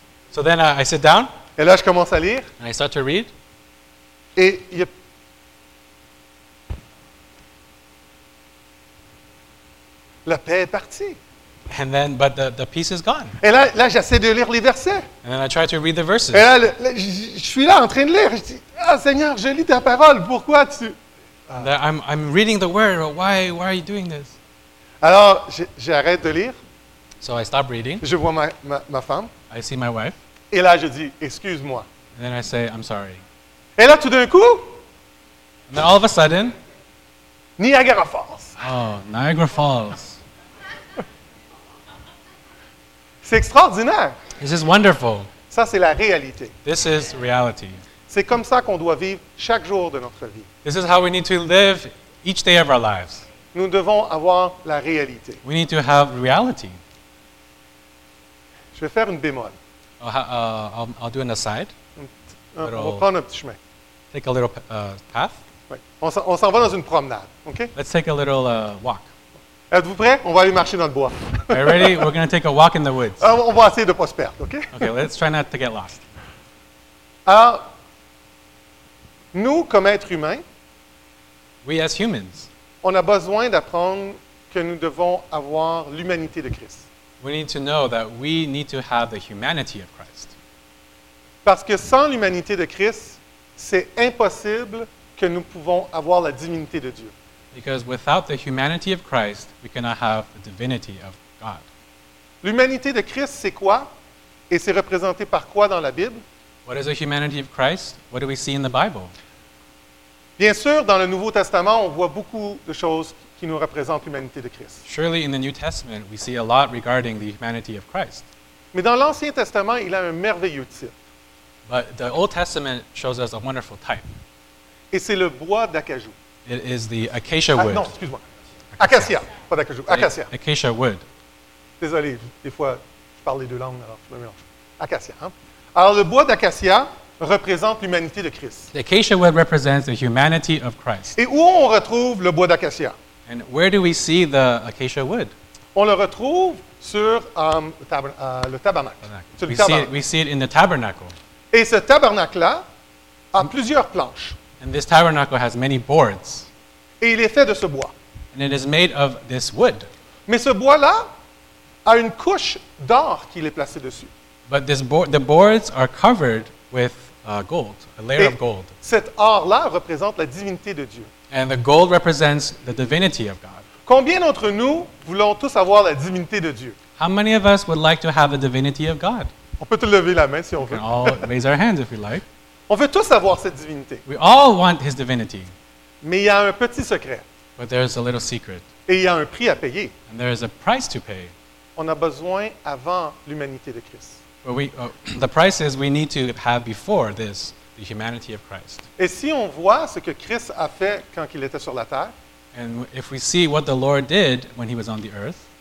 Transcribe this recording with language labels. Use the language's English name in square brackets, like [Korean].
[English] So then I sit down. [French] Et là, je commence à lire. [English] And I start to read. [French] Et il y a... La paix est partie. [English] And then, but the peace is gone. [French] Et là, j'essaie de lire les versets. [English] And then I try to read the verses. [French] Et là, je suis là en train de lire. Je dis, Seigneur, je lis ta parole. Pourquoi tu... [English] I'm reading the word. Why are you doing this? [French] Alors, j'arrête de lire. [English] So I stop reading. [French] Je vois ma femme. [English] I see my wife. [French] Et là, je dis, excuse-moi. [English] And then I say, I'm sorry. [French] Et là, tout d'un coup... [English] And then all of a sudden... [French] Niagara Falls. [English] Oh, Niagara Falls. [French] C'est extraordinaire. [English] This is wonderful. [French] Ça, c'est la réalité. [English] This is reality. [French] C'est comme ça qu'on doit vivre chaque jour de notre vie. [English] This is how we need to live each day of our lives. [French] Nous devons avoir la réalité. [English] We need to have reality. [French] Je vais faire une bémol. [English] I'll do an aside. [French] On va prendre un petit chemin. [English] take a little path. [French] On s'en va dans une promenade, OK? [English] Let's take a little walk. [French] Êtes-vous prêts? On va aller marcher dans le bois. [English] Are you ready? We're going to take a walk in the woods. [French] On va essayer de ne pas se perdre, OK? [English] OK, let's try not to get lost. [French] Alors, nous, comme êtres humains, [English] we as humans, [French] on a besoin d'apprendre que nous devons avoir l'humanité de Christ. [English] We need to know that we need to have the humanity of Christ. [French] Parce que sans l'humanité de Christ, c'est impossible que nous pouvons avoir la divinité de Dieu. [English] Because without the humanity of Christ, we cannot have the divinity of God. [French] L'humanité de Christ, c'est quoi? Et c'est représenté par quoi dans la Bible? [English] What is the humanity of Christ? What do we see in the Bible? [French] Bien sûr, dans le Nouveau Testament, on voit beaucoup de choses qui nous représentent l'humanité de Christ. [English] Surely in the New Testament, we see a lot regarding the humanity of Christ. [French] Mais dans l'Ancien Testament, il a un merveilleux type. [English] But the Old Testament shows us a wonderful type. [French] Et c'est le bois d'acajou. [English] It is the acacia wood. [French] Ah, non, excuse-moi. Acacia, pas d'acajou, acacia. [English] Acacia wood. [French] Désolé, des fois, je parle les deux langues, alors je me mélange. Acacia, hein? Alors, le bois d'acacia représente l'humanité de Christ. [English] The acacia wood represents the humanity of Christ. [French] Et où on retrouve le bois d'acacia? [English] And where do we see the acacia wood? [French] On le retrouve sur le tabernacle. [English] We see it in the tabernacle. [French] Et ce tabernacle-là a plusieurs planches. [English] And this tabernacle has many boards. [French] Et il est fait de ce bois. [English] And it is made of this wood. [French] Mais ce bois-là a une couche d'or qui l'est placée dessus. [English] But this the boards are covered with gold, a layer [French] Et [English] of gold. [French] Cet or-là représente la divinité de Dieu. [English] And the gold represents the divinity of God. [French] Combien d'entre nous voulons tous avoir la divinité de Dieu? [English] How many of us would like to have the divinity of God? [French] On peut te lever la main si on veut. [English] We can all raise our hands if we like. [French] On veut tous avoir cette divinité. [English] We all want his divinity. [French] Mais il y a un petit secret. [English] But there is a little secret. [French] Et il y a un prix à payer. [English] And there is a price to pay. [French] On a besoin avant l'humanité de Christ. [English] But the price is we need to have before this the humanity of Christ. [French] Et si on voit ce que Christ a fait quand il était sur la terre? [English] And if we see what the Lord did when he was on the earth?